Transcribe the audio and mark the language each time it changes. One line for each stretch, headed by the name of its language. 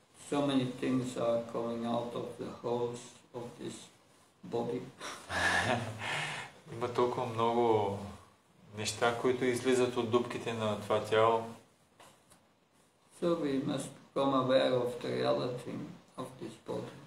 English: So many things are coming out of the holes of this body.
Bulgarian: Има толкова много неща, които излизат от дупките на това тяло.
English: So we must become aware of the reality of this body.